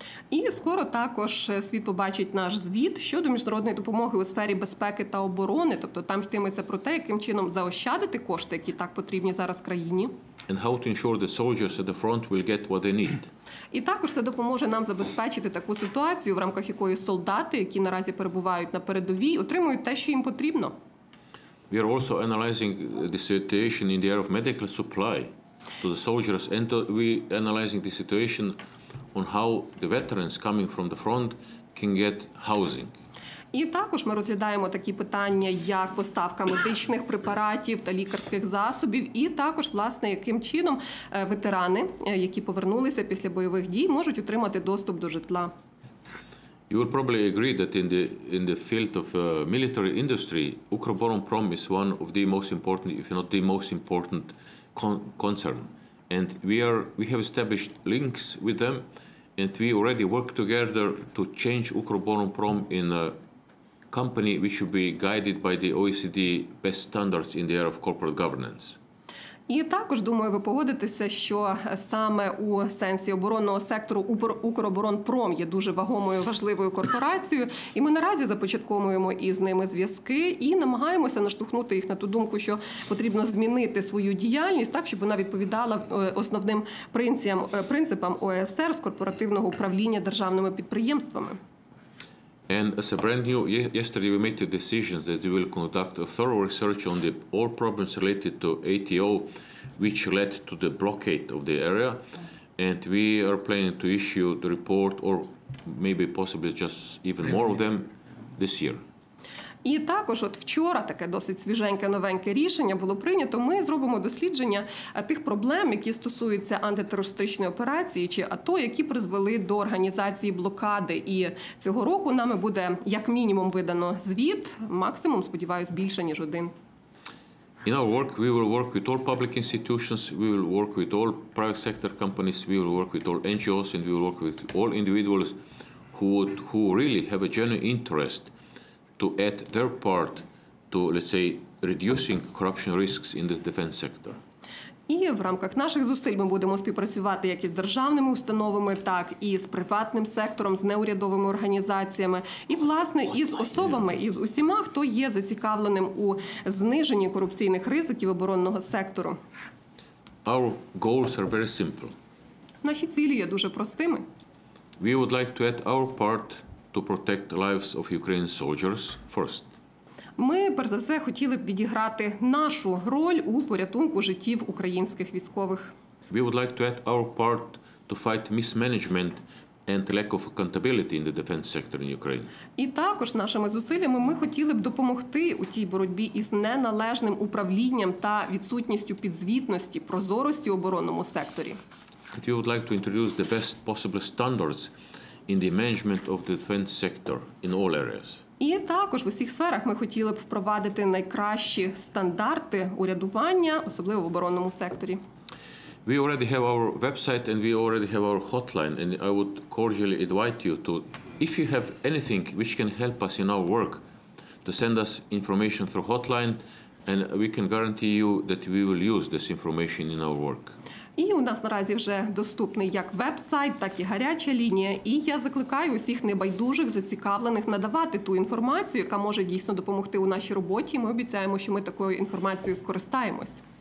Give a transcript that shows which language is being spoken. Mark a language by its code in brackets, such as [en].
[uk] І скоро також світ побачить наш звіт щодо міжнародної допомоги у сфері безпеки та оборони, тобто там йтиметься про те, яким чином заощадити кошти, які так потрібні зараз країні. [en] And how to ensure that soldiers at the front will get what they need. [uk] І також це допоможе нам забезпечити таку ситуацію, в рамках якої солдати, які наразі перебувають на передовій, отримують те, що їм потрібно. [en] We are also analyzing the situation in the area of medical supply to the soldiers, and we analyzing the situation on how the veterans coming from the front can get housing. [uk] І також ми розглядаємо такі питання, як поставка медичних препаратів та лікарських засобів, і також, власне, яким чином ветерани, які повернулися після бойових дій, можуть отримати доступ до житла. [en] You will probably agree that in the field of military industry, Ukrboronprom is one of the most important, if not the most important, concern. And we have established links with them, and we already work together to change Ukrboronprom in a company which should be guided by the OECD best standards in the area of corporate governance. [uk] І також, думаю, ви погодитеся, що саме у сенсі оборонного сектору «Укроборонпром» є дуже вагомою, важливою корпорацією. І ми наразі започатковуємо із ними зв'язки і намагаємося наштовхнути їх на ту думку, що потрібно змінити свою діяльність так, щоб вона відповідала основним принципам ОЕСР з корпоративного управління державними підприємствами. [en] And as a brand new, yesterday we made the decision that we will conduct a thorough research on the all problems related to ATO, which led to the blockade of the area. And we are planning to issue the report, or maybe possibly just even more of them, this year. [uk] І також от вчора таке досить свіженьке, новеньке рішення було прийнято. Ми зробимо дослідження тих проблем, які стосуються антитерористичної операції чи АТО, які призвели до організації блокади. І цього року нами буде як мінімум видано звіт, максимум, сподіваюся, більше ніж один. [en] In our work we will work with all public institutions, we will work with all private sector companies, we will work with all NGOs, and we will work with all individuals who really have a genuine interest to add their part to, let's say, reducing corruption risks in the defense sector. [uk] І в рамках наших зусиль ми будемо співпрацювати як із державними установами, так і з приватним сектором, з неурядовими організаціями, і, власне, із особами, із усіма, хто є зацікавленим у зниженні корупційних ризиків оборонного сектору. [en] Our goals are very simple. [uk] Наші цілі є дуже простими. [en] We would like to add our part to protect lives of Ukrainian soldiers first. [uk] Ми, перш за все, хотіли б відіграти нашу роль у порятунку життів українських військових. [en] We would like to add our part to fight mismanagement and lack of accountability in the defense sector in Ukraine. [uk] І також нашими зусиллями ми хотіли б допомогти у тій боротьбі із неналежним управлінням та відсутністю підзвітності, прозорості в оборонному секторі. [en] And we would like to introduce the best possible standards in the management of the defense sector in all areas. [uk] І також в усіх сферах ми хотіли б впровадити найкращі стандарти урядування, особливо в оборонному секторі. [en] We already have our website and we already have our hotline, and I would cordially invite you to, if you have anything which can help us in our work, to send us information through hotline And we can guarantee you that we will use this information in our work. [uk] І у нас наразі вже доступний як веб-сайт, так і гаряча лінія. І я закликаю усіх небайдужих, зацікавлених надавати ту інформацію, яка може дійсно допомогти у нашій роботі. Ми обіцяємо, що ми такою інформацією скористаємось.